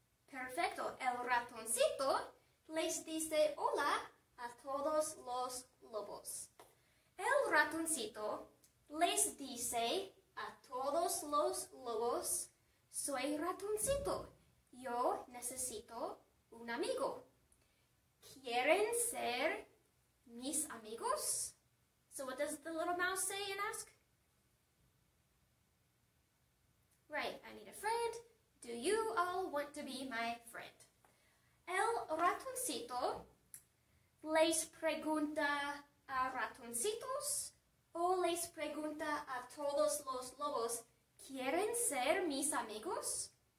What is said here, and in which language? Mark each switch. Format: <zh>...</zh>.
<es>Perfecto, el ratoncito les dice hola a todos los lobos. El ratoncito les dice a todos los lobos, soy ratoncito, yo necesito un amigo. ¿Quieren ser mis amigos?</es> <en>So what does the little mouse say and ask? Right, I need a friend. Do you all want to be my friend?</en> <es>El ratoncito les pregunta a ratoncitos o les pregunta a todos los lobos, ¿quieren ser mis amigos?</es>